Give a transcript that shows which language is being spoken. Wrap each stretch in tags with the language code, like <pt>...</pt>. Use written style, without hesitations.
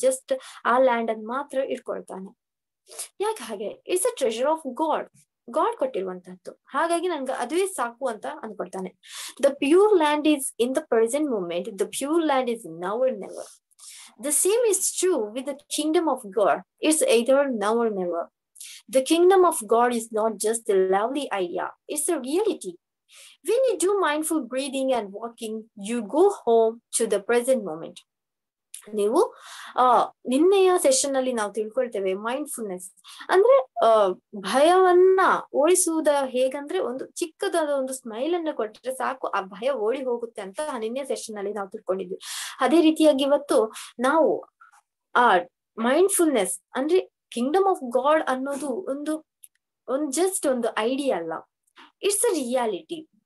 <kn>Just ಆ land ಅನ್ನ ಮಾತ್ರ ಇಟ್ಕೊಳ್ತಾನೆ. ಯಾಕೆ ಹಾಗೆ?</kn> <en>it's a treasure of God,</en> <kn>god ಕೊಟ್ಟಿರುವಂತಹದ್ದು, ಹಾಗಾಗಿ ನನ್ಗೆ ಅದುವೇ ಸಾಕು ಅಂತ ಅನ್ಕೊಳ್ತಾನೆ.</kn> <en>The pure land is in the present moment, the pure land is now or never. The same is true with the kingdom of God, it's either now or never. The kingdom of God is not just a lovely idea, it's a reality. When you do mindful breathing and walking, you go home to the present moment.</en> <kn>ನೀವು ನಿನ್ನೆಯ session ಅಲ್ಲಿ ನಾವು ತಿಳ್ಕೊಳ್ತೇವೆ mindfulness ಅಂದ್ರೆ ಭಯವನ್ನ ಓಡಿಸುವುದ ಹೇಗಂದ್ರೆ ಒಂದು ಚಿಕ್ಕದಾದ ಒಂದು smile ಅನ್ನು ಕೊಟ್ಟರೆ ಸಾಕು ಆ ಭಯ ಓಡಿ ಹೋಗುತ್ತೆ ಅಂತ ನಿನ್ನೆ ಸೆಷನ್ ಅಲ್ಲಿ ನಾವು ತಿಳ್ಕೊಂಡಿದ್ವಿ. ಅದೇ ರೀತಿಯಾಗಿ ಇವತ್ತು ನಾವು ಆ ಮೈಂಡ್ಫುಲ್ನೆಸ್ ಅಂದ್ರೆ ಕಿಂಗ್ಡಮ್ ಆಫ್ ಗಾಡ್ ಅನ್ನೋದು ಒಂದು ಜಸ್ಟ್ ಒಂದು ಐಡಿಯಾ ಅಲ್ಲ,</kn> <en>It's a reality.</en>